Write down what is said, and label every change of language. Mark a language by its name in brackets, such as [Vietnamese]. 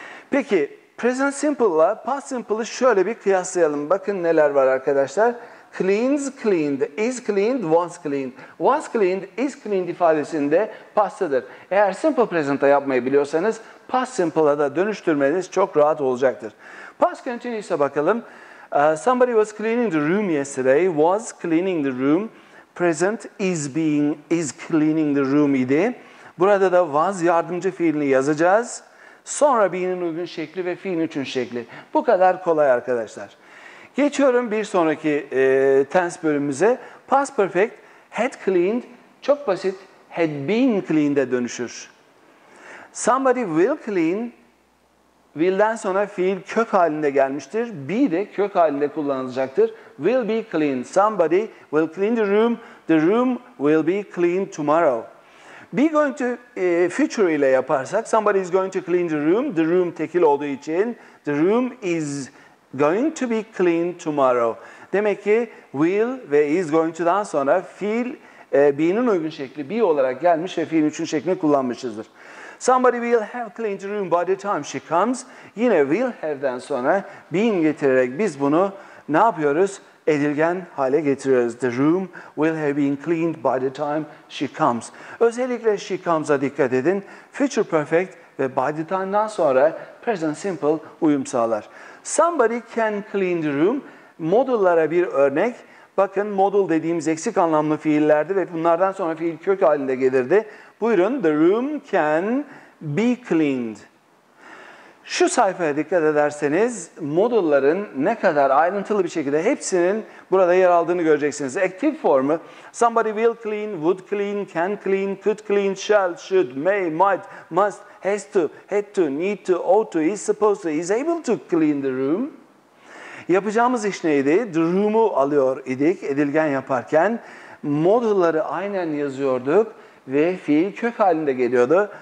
[Turkish] Peki, present simple ile past simple'ı şöyle bir kıyaslayalım. Bakın neler var arkadaşlar. [English] Cleans, cleaned, is cleaned, was cleaned. [Turkish] Was cleaned, is cleaned ifadesinde past'tadır. Eğer simple present'a yapmayı biliyorsanız past simple'a da dönüştürmeniz çok rahat olacaktır. Past continuous'a bakalım. [English] Somebody was cleaning the room yesterday, was cleaning the room. Present is being, is cleaning the room idi. [Turkish] Burada da was yardımcı fiilini yazacağız. Sonra be'nin uygun şekli ve fiilin üçün şekli. Bu kadar kolay arkadaşlar. Geçiyorum bir sonraki tense bölümümüze. [English] Past perfect, had cleaned, [Turkish] çok basit, [English] had been cleaned'e dönüşür. Somebody will clean, [Turkish] will'den sonra fiil kök halinde gelmiştir. Be de kök halinde kullanılacaktır. [English] Will be cleaned. Somebody will clean the room. The room will be cleaned tomorrow. Be going to future [Turkish] ile yaparsak, [English] somebody is going to clean the room. The room [Turkish] tekil olduğu için, [English] the room is going to be cleaned tomorrow. [Turkish] Demek ki will ve is going to'dan sonra fiil be'nin uygun şekli be olarak gelmiş ve fiilin üçüncü şeklini kullanmışızdır. [English] Somebody will have cleaned the room by the time she comes. [Turkish] Yine will have'den sonra being getirerek biz bunu ne yapıyoruz? Edilgen hale getiriyoruz. [English] The room will have been cleaned by the time she comes. [Turkish] Özellikle she comes'a dikkat edin. Future perfect ve by the time'dan sonra present simple uyum sağlar. [English] Somebody can clean the room. [Turkish] Modullara bir örnek. Bakın modul dediğimiz eksik anlamlı fiillerdi ve bunlardan sonra fiil kök halinde gelirdi. Buyurun, [English] the room can be cleaned. [Turkish] Şu sayfaya dikkat ederseniz modulların ne kadar ayrıntılı bir şekilde hepsinin burada yer aldığını göreceksiniz. [English] Active formu somebody will clean, would clean, can clean, could clean, shall, should, may, might, must, has to, had to, need to, ought to, is supposed to, is able to clean the room. [Turkish] Yapacağımız iş neydi? The room'u alıyor idik edilgen yaparken. Modulları aynen yazıyorduk ve fiil kök halinde geliyordu.